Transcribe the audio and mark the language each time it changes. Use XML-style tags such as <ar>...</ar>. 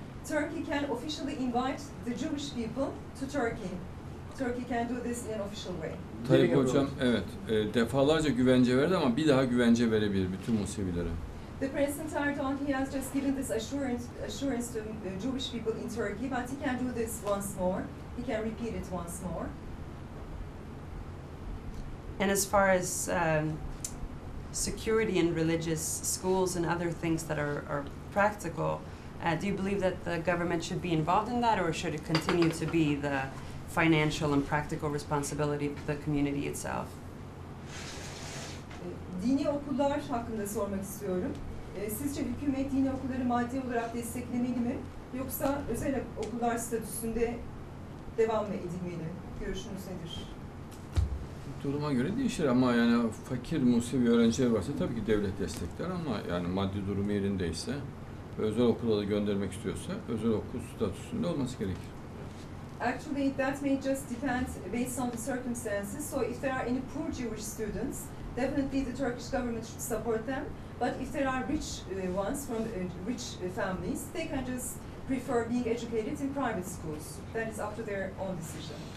<en>Turkey can officially invite the Jewish people to Turkey. Turkey can do this in an official way.</en> <tr>Tayyip Hocam, evet. Defalarca güvence verdi ama bir daha güvence verebilir bütün Musevilere.</tr> <en>The President Erdogan, he has just given this assurance to Jewish people in Turkey, but he can do this once more. He can repeat it once more. And as far as security and religious schools and other things that are practical, do you believe that the government should be involved in that, or should it continue to be the financial and practical responsibility of the community itself?</en> <tr>Dini okullar hakkında sormak istiyorum. Sizce hükümet dini okulları maddi olarak desteklemeli mi, yoksa özel okullar statüsünde devam mı edilmeli? Görüşünüz nedir? Duruma göre değişir ama yani fakir Musevi öğrenciler varsa tabii ki devlet destekler ama yani maddi durumu yerindeyse özel okula da göndermek istiyorsa özel okul statüsünde olması gerekir.</tr> <en>Actually, that may just depend based on the circumstances. So, if there are any poor Jewish students, definitely the Turkish government should support them. But if there are rich ones from rich families, they can just prefer being educated in private schools. That is up to their own decision.</en>